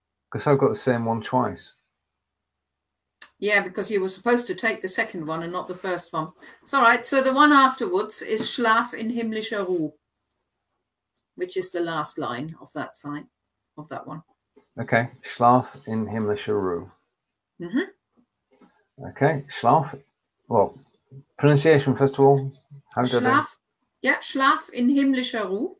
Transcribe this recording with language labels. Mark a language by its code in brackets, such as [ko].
[en] Because I've got the same one twice. Yeah, because you were supposed to take the second one and not the first one. It's all right. So the one afterwards is [de] Schlaf in himmlischer Ruhe, [en] which is the last line of that sign, of that one. Okay. [de] Schlaf in himmlischer Ruhe. [en] Mm-hmm. Okay. Schlaf. Well, pronunciation, first of all. [de] Schlaf in himmlischer Ruhe.